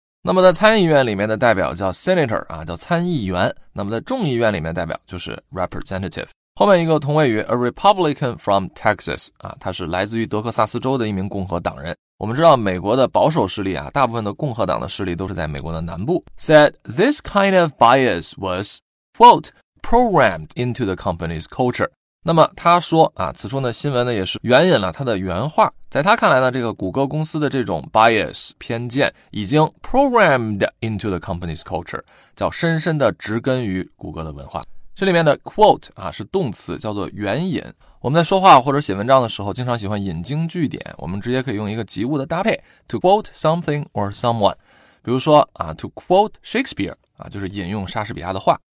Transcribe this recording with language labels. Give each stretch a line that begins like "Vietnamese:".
Chinese: 那么在参议院里面的代表叫 Senator 啊，叫参议员，那么在众议院里面代表就是 Representative。后面一个同位语
English: A Republican from Texas
Chinese: 啊，他是来自于德克萨斯州的一名共和党人。我们知道美国的保守势力啊，大部分的共和党的势力都是在美国的南部。
English: Said this kind of bias was quote programmed into the company's culture。
Chinese: 那么他说啊，此处的新闻呢也是援引了他的原话，在他看来呢，这个谷歌公司的这种 bias 偏见已经
English: programmed into the company's culture，
Chinese: 叫深深的植根于谷歌的文化。这里面的 quote 啊是动词，叫做援引。我们在说话或者写文章的时候经常喜欢引经据典，我们直接可以用一个及物的搭配
English: to quote something or someone，
Chinese: 比如说啊
English: to quote Shakespeare
Chinese: 啊，就是引用莎士比亚的话。